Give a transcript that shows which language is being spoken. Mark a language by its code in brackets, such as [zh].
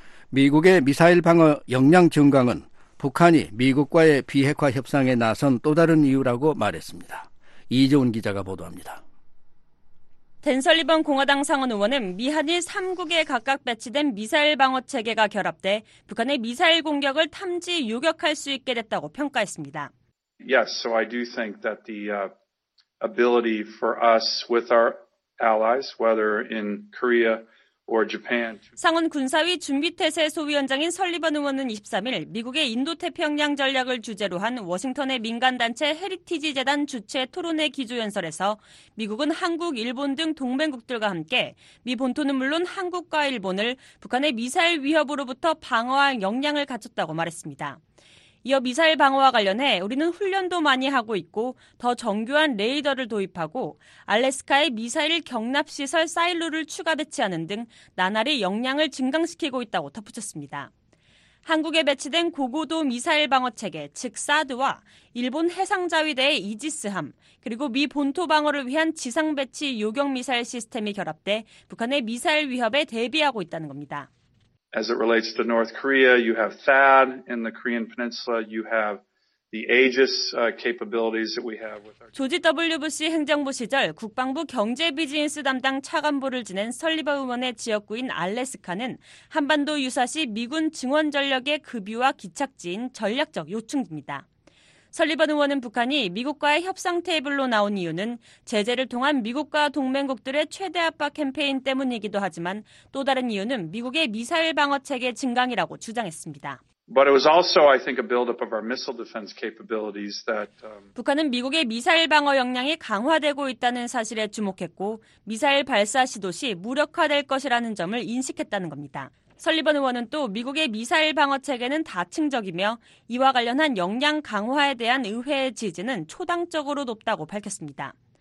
[ko] 미국의 미사일 방어 역량 증강은 북한이 미국과의 비핵화 협상에 나선 또 다른 이유라고 말했습니다. 이재훈 기자가 보도합니다. 댄 설리번 공화당 상원의원은 미한일 3국에 각각 배치된 미사일 방어 체계가 결합돼 북한의 미사일 공격을 탐지 요격할 수 있게 됐다고 평가했습니다. [en] Yes, so I do think that the ability for us with our allies, whether in Korea or Japan. [ko] 상원 군사위 준비태세 소위원장인 설리번 의원은 23일 미국의 인도태평양 전략을 주제로 한 워싱턴의 민간단체 헤리티지 재단 주최 토론회 기조연설에서 미국은 한국, 일본 등 동맹국들과 함께 미 본토는 물론 한국과 일본을 북한의 미사일 위협으로부터 방어할 역량을 갖췄다고 말했습니다. 이어 미사일 방어와 관련해 우리는 훈련도 많이 하고 있고 더 정교한 레이더를 도입하고 알래스카의 미사일 격납시설 사일로를 추가 배치하는 등 나날이 역량을 증강시키고 있다고 덧붙였습니다. 한국에 배치된 고고도 미사일 방어 체계, 즉 사드와 일본 해상자위대의 이지스함, 그리고 미 본토 방어를 위한 지상 배치 요격 미사일 시스템이 결합돼 북한의 미사일 위협에 대비하고 있다는 겁니다. [en] As it relates to North Korea, you have THAAD in the Korean Peninsula. You have the Aegis capabilities that we have with our. [ko] 조지 W. 부시 행정부 시절 국방부 경제 비즈니스 담당 차관보를 지낸 설리버 의원의 지역구인 알래스카는 한반도 유사시 미군 증원 전력의 급유와 기착지인 전략적 요충지입니다. 설리번 의원은 북한이 미국과의 협상 테이블로 나온 이유는 제재를 통한 미국과 동맹국들의 최대 압박 캠페인 때문이기도 하지만 또 다른 이유는 미국의 미사일 방어 체계 증강이라고 주장했습니다. [en] But it was also, I think, a buildup of our missile defense capabilities that. [ko] 북한은 미국의 미사일 방어 역량이 강화되고 있다는 사실에 주목했고 미사일 발사 시도 시 무력화될 것이라는 점을 인식했다는 겁니다. 설리번 의원은 또 미국의 미사일 방어 체계는 다층적이며 이와 관련한 역량 강화에 대한 의회의 지지는 초당적으로 높다고 밝혔습니다.